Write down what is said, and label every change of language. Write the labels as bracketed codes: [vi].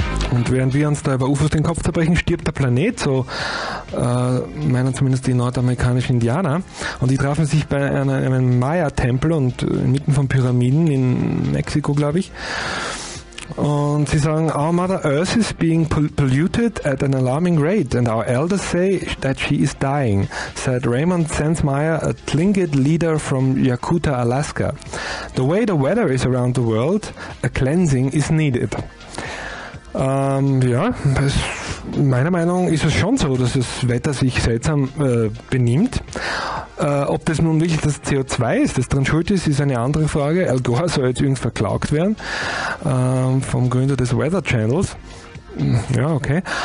[de] Und während wir uns da über UFOs den Kopf zerbrechen, stirbt der Planet, so meinen zumindest die nordamerikanischen Indianer. Und die trafen sich bei einem Maya-Tempel und inmitten von Pyramiden in Mexiko, glaube ich. Und sie sagen, [en] our Mother Earth is being polluted at an alarming rate and our elders say that she is dying, said Raymond Sensmeyer, a Tlingit leader from Yakuta, Alaska. The way the weather is around the world, a cleansing is needed. [de] Ja, das, meiner Meinung nach ist es schon so, dass das Wetter sich seltsam benimmt. Ob das nun wirklich das CO2 ist, das dran schuld ist, ist eine andere Frage. Al Gore soll jetzt irgendwie verklagt werden vom Gründer des Weather Channels. Ja, okay.